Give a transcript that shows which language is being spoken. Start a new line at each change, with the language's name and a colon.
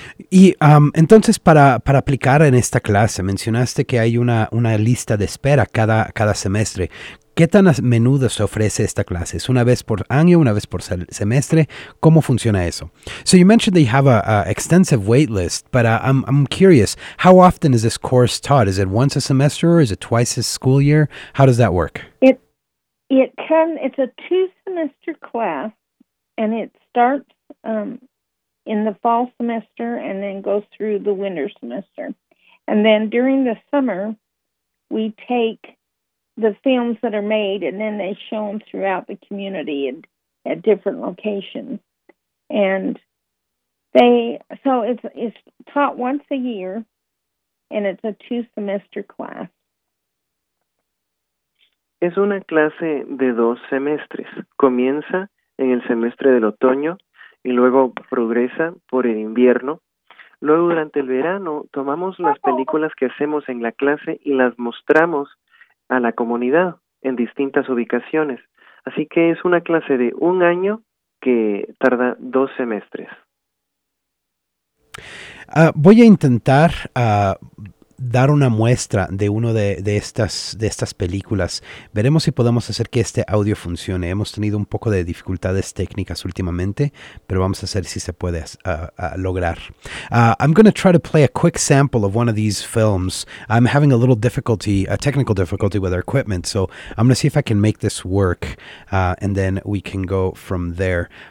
Spanish: Y entonces para aplicar en esta clase, mencionaste que hay una lista de espera cada semestre. ¿Qué tan a menudo se ofrece esta clase? ¿Es una vez por año, una vez por semestre? ¿Cómo funciona eso?
English: So you mentioned that you have an extensive wait list, but I'm curious, how often is this course taught? Is it once a semester or is it twice a school year? How does that work? It's a two-semester class, and it starts in the fall semester and then goes through the winter semester. And then during the summer, we take the films that are made, and then they show them throughout the community at different locations. And it's taught once a year, and it's a two-semester class.
Spanish: Es una clase de dos semestres. Comienza en el semestre del otoño y luego progresa por el invierno. Luego, durante el verano, tomamos las películas que hacemos en la clase y las mostramos a la comunidad en distintas ubicaciones. Así que es una clase de un año que tarda dos semestres. Voy a intentar dar una muestra de uno de estas películas. Veremos si podemos hacer que este audio funcione. Hemos tenido un poco de dificultades técnicas últimamente, pero vamos a ver si se puede lograr.
English: I'm going to try to play a quick sample of one of these films. I'm having a little difficulty, a technical difficulty with our equipment, so I'm going to see if I can make this work, and then we can go from there.